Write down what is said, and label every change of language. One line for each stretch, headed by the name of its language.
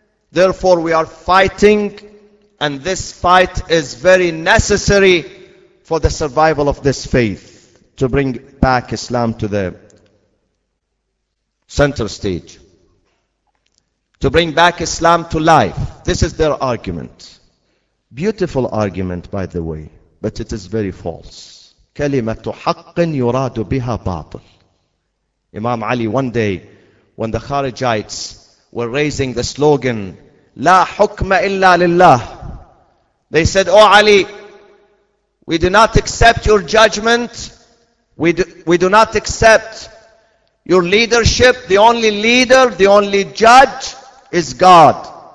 English: Therefore, we are fighting, and this fight is very necessary for the survival of this faith, to bring back Islam to the center stage, to bring back Islam to life. This is their argument. Beautiful argument, by the way, but it is very false.
Arabic: كلمة حق يراد بها باطل.
English: Imam Ali one day when the Kharijites were raising the slogan, La hukma illa lillah. They said, O Ali, we do not accept your judgment. We do not accept your leadership. The only leader, the only judge is God.